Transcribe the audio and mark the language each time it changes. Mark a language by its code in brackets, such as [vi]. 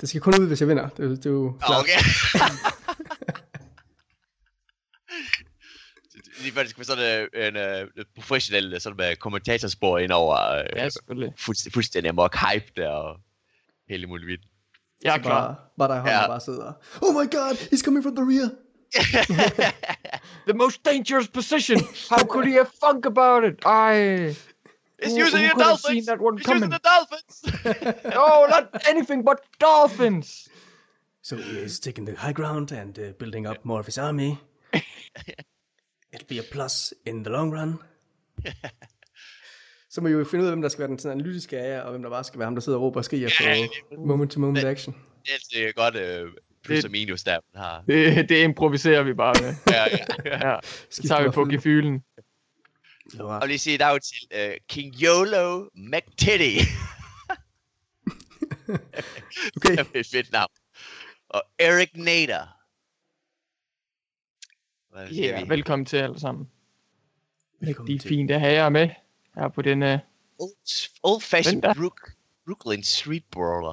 [da] Det skal kun ud, hvis jeg vinder. Det er jo klart. Okay. Lige før, det skal være sådan en professionel sådan med kommentatorspor ind over. Ja, selvfølgelig. Fuldstændig amok hype der, og hele muligheden. Ja, så klar. Bare der i hånden, bare sidder. [en] Oh my god, he's coming from the rear. The most dangerous position. How could he have thunk about it? I... He's using the dolphins. He's using the dolphins. Oh, not anything but dolphins. So he's taking the high ground and building up more of his army. It'll be a plus in the long run. [da] Så må vi jo finde ud af, hvem der skal være den sådan analytiske af jer, og hvem der bare skal være ham, der sidder og råber og skriger på [en] moment-to-moment action. [da] Det er godt plus og minus, der man har. Det improviserer vi bare med. Ja, ja. Så tager vi på gefylen. Og lige sige et af til King Yolo McTitty. Okay. Det er et fedt navn. Og Eric Nader. Ja, velkommen til alle sammen. De er fint at have jer med. Ja, på den [en] old-fashioned Brooklyn street brawler.